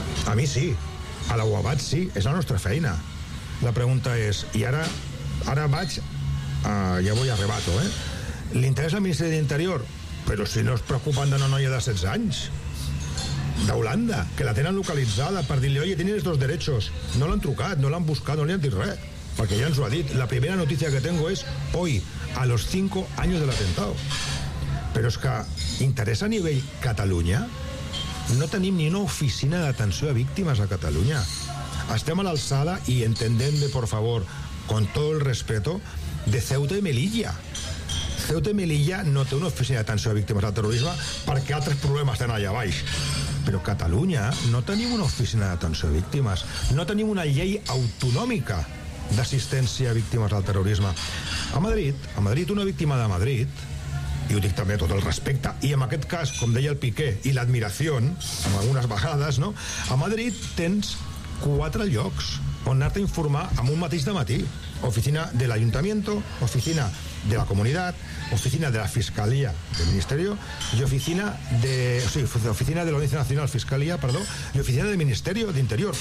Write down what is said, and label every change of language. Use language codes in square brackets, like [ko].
[ca] A mi sí. A l'UABAT sí, és la nostra feina. La pregunta és, i ara vaig, ja vull arrebato, eh? Li interessa al Ministeri d'Interior? Però si no es preocupen d'una noia de 16 anys, d'Holanda, que la tenen localitzada per dir-li, [es] oye, tienes dos derechos. [ca] No l'han trucat, no l'han buscat, no li han dit res. Perquè ja ens ho ha dit. [es] La primera notícia que tengo és, hoy, a los 5 años del atentado. [ca] Però és que interessa a nivell Catalunya? No tenim ni una oficina d'atenció a víctimes a Catalunya. Estem a l'alçada, i entendem-me, [es] por favor, con todo el respeto, [ca] de Ceuta i Melilla. Ceuta i Melilla no té una oficina d'atenció a víctimes del terrorisme perquè altres problemes tenen allà baix. Però a Catalunya no tenim una oficina d'atenció a víctimes. No tenim una llei autonòmica d'assistència a víctimes del terrorisme. A Madrid, una víctima de Madrid, i ho dic també a tot el respecte, i en aquest cas, com deia el Piqué, i l'admiració, en algunes vegades, no? A Madrid tens 4 llocs on anar-te a informar amb un mateix dematí. [es] Oficina de l'Ajuntamiento, oficina de la Comunidad, oficina de la Fiscalía del Ministerio y oficina de... O sigui, oficina de la Audiencia Nacional, Fiscalía, perdó, y oficina del Ministerio de Interior.